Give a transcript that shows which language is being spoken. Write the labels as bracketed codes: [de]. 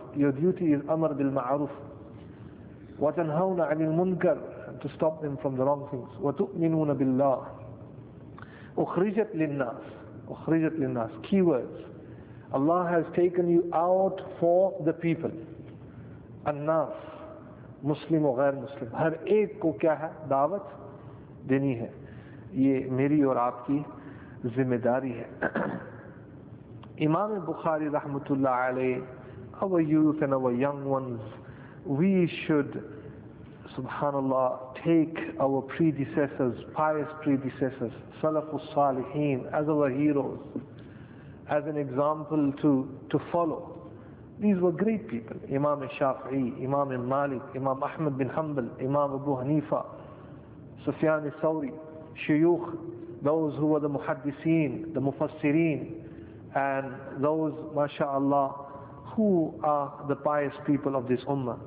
[en] Your duty is [ar] أَمَرْ بِالْمَعْرُوفِ. وَتَنْهَوْنَ عَنِ الْمُنْكَرِ. [en] To stop them from the wrong things. [ar] وَتُؤْمِنُونَ بِاللَّهِ. أُخْرِجَتْ لِلنَّاسِ. أُخْرِجَتْ لِلنَّاسِ. [en] Keywords. Allah has taken you out for the people. [ar] الناس. [ur] مسلم و غیر مسلم ہر ایک کو کیا ہے دعوت دینی ہے یہ میری اور آپ کی ذمہ داری ہے امام بخاری رحمت اللہ علیہ [en] our youth and our young ones we should [ur] سبحان اللہ [en] take our predecessors pious predecessors سلف الصالحین as our heroes as an example to follow. These were great people. Imam Shafi'i, Imam Malik, Imam Ahmad bin Hanbal, Imam Abu Hanifa, Sufyan al-Thawri, Shuyukh, those who were the Muhaddiseen, the Mufassireen, and those, mashallah, who are the pious people of this Ummah.